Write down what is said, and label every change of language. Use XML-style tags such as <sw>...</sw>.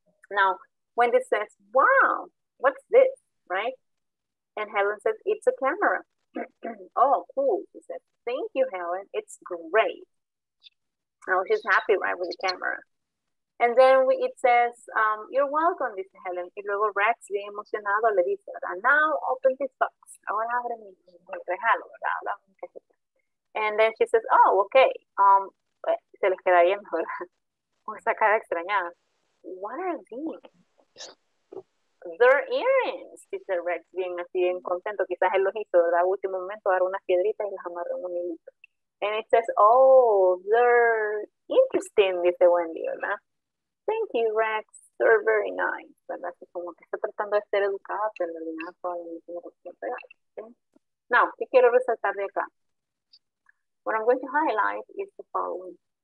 <en>Now, Wendy says, wow, what's this, right? And Helen says, it's a camera. Oh, cool, she said. Thank you, Helen. It's great. Oh, she's happy, right, with the camera. And then we, it says, you're welcome, Miss Helen.</en> <es>Y luego Rex, bien emocionado, le dice, ¿verdad?</es> <en>Now open this box.</en> <es>Ahora abre mi regalo, ¿verdad?</es> <en>And then she says, oh, okay.</en> <es>Se les queda viendo, ¿verdad? Esa cara extrañada.</es> <en>What are these? They're earrings,</en> <es>dice Rex, bien así, bien contento. Quizás él los hizo, ¿verdad? Al último momento, dar unas piedritas y las amarró en un hilito.</es> <en>And it says, oh, they're interesting,</en> <es>dice Wendy, ¿verdad?</es> <en>Thank you, Rex. You're very nice.</en> <es>¿Verdad? Así como que está tratando de ser educada, pero en realidad todavía no tiene cuestión de pegar.</es> <en>Now,</en> <es>¿qué quiero resaltar de acá?</es> <en>What I'm going to highlight is the following.</en>